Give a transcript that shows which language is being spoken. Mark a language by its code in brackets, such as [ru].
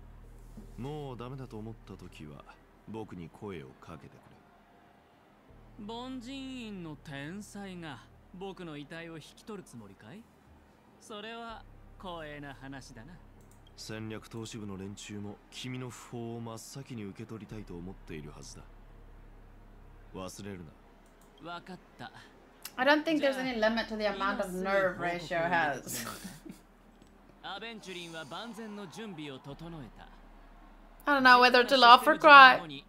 [ja] 僕は君の望む結果だと思っていたんだが、何しろ僕は君が言ったように忠実に自分の役割を果たしたのだから、もうダメだと思った時は。僕に声をかけてくれ。凡人院の天才が僕の遺体を引き取るつもりかい？それは光栄な話だな。戦略投資部の連中も君の不法を真っ先に受け取りたいと思っているはずだ。忘れるな。分かった。 [en] I don't think there's any limit to the amount of nerve ratio has. [ja] アベンチュリンは万全の準備を整えた。 [en] I don't know whether to laugh or cry.